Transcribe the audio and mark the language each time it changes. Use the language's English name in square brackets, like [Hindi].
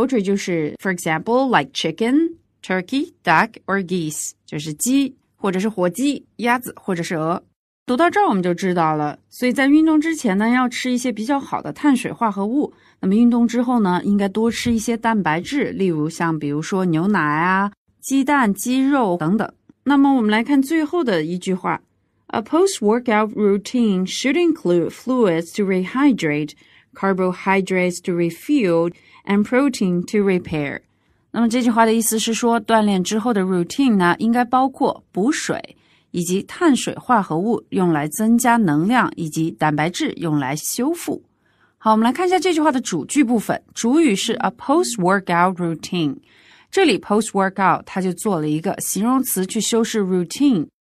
[Chinese] poultry 就是 [English] for example like chicken，Turkey, duck, or geese， [Chinese] 就是鸡或者是火鸡、鸭子或者是鹅。读到这儿我们就知道了，所以在运动之前呢要吃一些比较好的碳水化合物，那么运动之后呢应该多吃一些蛋白质，例如像比如说牛奶啊、鸡蛋、鸡肉等等。那么我们来看最后的一句话， [English] A post-workout routine should include fluids to rehydrate, carbohydrates to refuel, and protein to repair。 [Chinese] 那么这句话的意思是说，锻炼之后的 routine 呢，应该包括补水以及碳水化合物，用来增加能量，以及蛋白质用来修复。好，我们来看一下这句话的主句部分，主语是 a post-workout routine， 这里 post-workout 它就做了一个形容词去修饰 routine。